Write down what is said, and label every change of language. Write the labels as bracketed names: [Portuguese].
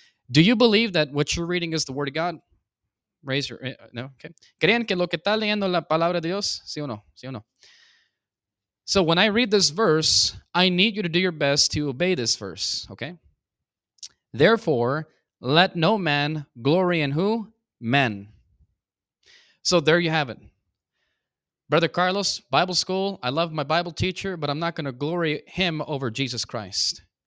[English] Do you believe that what you're reading is the Word of God? Raise your, no, okay. [Spanish] ¿Creen que lo que está leyendo la palabra de Dios? ¿Sí o no? ¿Sí o no? [English] So when I read this verse, I need you to do your best to obey this verse, okay? Therefore, let no man glory in who? Men. So there you have it. Brother Carlos, Bible school, I love my Bible teacher, but I'm not going to glory him over Jesus Christ.